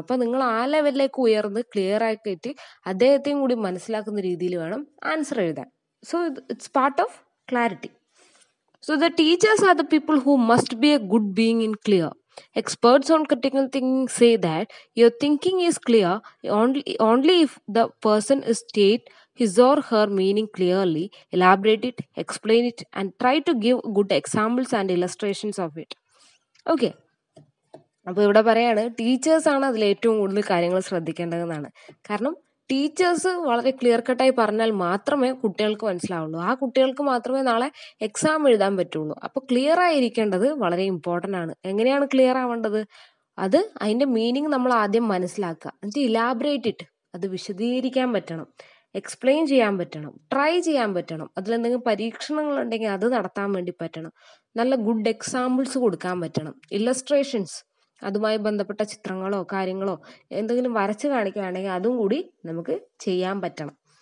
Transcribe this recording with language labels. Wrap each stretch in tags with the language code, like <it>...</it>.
<ml>അപ്പോൾ നിങ്ങൾ ആ ലെവലിലേക്ക് ഉയർന്ന് ക്ലിയർ ആക്കിയിട്ട് അദ്ദേഹത്തെയും കൂടി മനസ്സിലാക്കുന്ന രീതിയിൽ വേണം ആൻസർ എഴുതാൻ.</ml> <en>So it's part of clarity. So the teachers are the people who must be a good being in clear. Experts on critical thinking say that your thinking is clear only if the person state his or her meaning clearly, elaborate it, explain it, and try to give good examples and illustrations of it. Okay.</en> <ml>അപ്പോൾ ഇവിടെ പറയുകയാണ്, ടീച്ചേഴ്സാണ് അതിൽ ഏറ്റവും കൂടുതൽ കാര്യങ്ങൾ ശ്രദ്ധിക്കേണ്ടതെന്നാണ്. കാരണം teachers വളരെ clear കട്ടായി പറഞ്ഞാൽ മാത്രമേ കുട്ടികൾക്ക് മനസ്സിലാവുള്ളൂ. ആ കുട്ടികൾക്ക് മാത്രമേ നാളെ എക്സാം എഴുതാൻ പറ്റുള്ളൂ. അപ്പോൾ ക്ലിയർ ആയിരിക്കേണ്ടത് വളരെ ഇമ്പോർട്ടൻ്റ് ആണ്. എങ്ങനെയാണ് ക്ലിയർ ആവേണ്ടത്? അത് അതിൻ്റെ മീനിങ് നമ്മൾ ആദ്യം മനസ്സിലാക്കുക, എന്നിട്ട്</ml> <en>elaborate it,</en> <ml>അത് വിശദീകരിക്കാൻ പറ്റണം, എക്സ്പ്ലെയിൻ ചെയ്യാൻ പറ്റണം, ട്രൈ ചെയ്യാൻ പറ്റണം, അതിലെന്തെങ്കിലും പരീക്ഷണങ്ങൾ ഉണ്ടെങ്കിൽ അത് നടത്താൻ വേണ്ടി പറ്റണം, നല്ല ഗുഡ് എക്സാമ്പിൾസ് കൊടുക്കാൻ പറ്റണം, ഇല്ലസ്ട്രേഷൻസ് അതുമായി ബന്ധപ്പെട്ട ചിത്രങ്ങളോ കാര്യങ്ങളോ എന്തെങ്കിലും വരച്ച് കാണിക്കുകയാണെങ്കിൽ അതും കൂടി നമുക്ക് ചെയ്യാൻ പറ്റണം.</ml>